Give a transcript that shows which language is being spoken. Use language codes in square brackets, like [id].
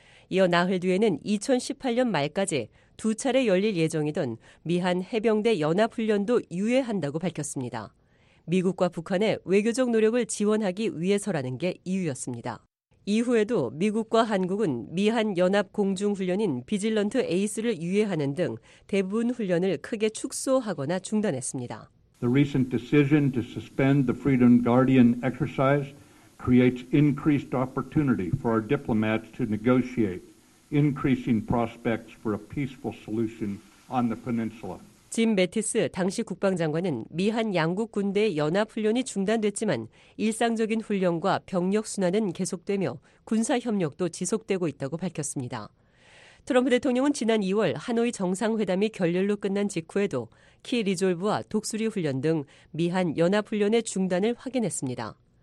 [ko] 이어 나흘 뒤에는 2018년 말까지 두 차례 열릴 예정이던 미한 해병대 연합훈련도 유예한다고 밝혔습니다. 미국과 북한의 외교적 노력을 지원하기 위해서라는 게 이유였습니다. 이후에도 미국과 한국은 미한 연합 공중훈련인 비질런트 에이스를 유예하는 등 대부분 훈련을 크게 축소하거나 중단했습니다. [en] The recent decision to suspend the Freedom Guardian exercise creates increased opportunity for our diplomats to negotiate increasing prospects for a peaceful solution on the peninsula. [ko] 짐 매티스 당시 국방장관은 미한 양국 군대의 연합 훈련이 중단됐지만 일상적인 훈련과 병력 순환은 계속되며 군사 협력도 지속되고 있다고 밝혔습니다. 트럼프 대통령은 지난 2월 하노이 정상회담이 결렬로 끝난 직후에도 키 리졸브와 독수리 훈련 등 미한 연합훈련의 중단을 확인했습니다.